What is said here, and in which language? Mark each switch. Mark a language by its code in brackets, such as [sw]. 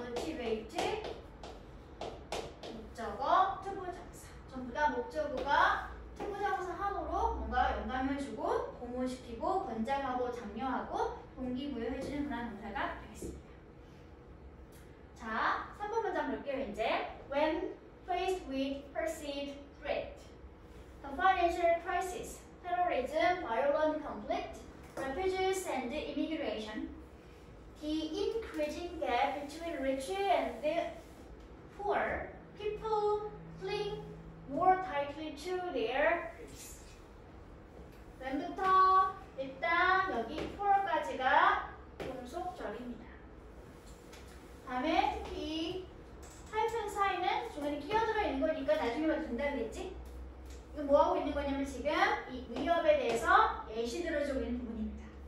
[ko] motivate 목적어 투부정사 전부 다 목적어가 투부정사 하도록 뭔가 영감을 주고 공부시키고 권장하고 장려하고 동기 부여해주는 그런 동사가 되겠습니다. 자, 3번 문장 볼게요. 이제 [en] when faced with perceived threat the financial crisis, terrorism, violent conflict, refugees and immigration, the increase bridging gap between rich and the poor, people cling more tightly to their goods. [ko] 맨부터 일단 여기 poor까지가 종속절입니다. 다음에 특히 hyphen 사이는 중간에 끼어들어 있는 거니까 나중에 봐도 된다고 했지? 이거 뭐하고 있는 거냐면 지금 이 위협에 대해서 예시 들어주고 있는 부분입니다.